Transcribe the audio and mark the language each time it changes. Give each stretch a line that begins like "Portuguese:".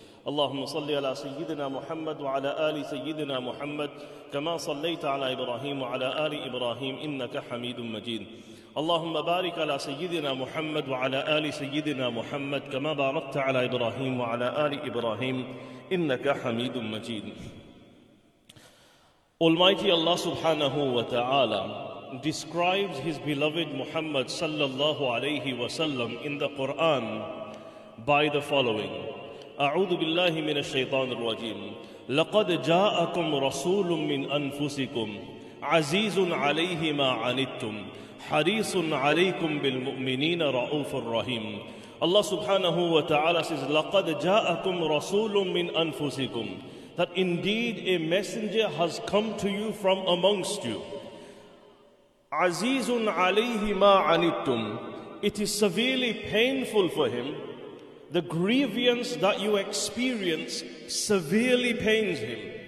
Arabic: اللهم صل على سيدنا محمد وعلى آل سيدنا محمد كما صليت على إبراهيم وعلى آل إبراهيم إنك حميد مجيد. اللهم بارك على سيدنا محمد وعلى آل سيدنا محمد كما باركت على إبراهيم وعلى آل إبراهيم إنك حميد مجيد.
English: Almighty Allah subhanahu wa ta'ala describes his beloved Muhammad sallallahu alayhi wa sallam in the Quran by the following.
Arabic: أعوذ بالله من الشيطان الرجيم. لقد جاءكم رسول من أنفسكم عزيز عليه ما عنتم حريص عليكم بالمؤمنين رؤوف رحيم. الله سبحانه وتعالى
English: says
Arabic: لقد جاءكم رسول من أنفسكم.
English: That indeed a messenger has come to you from amongst you.
Arabic: عزيز عليه ما عنتم.
English: It is severely painful for him. The grievance that you experience severely pains him.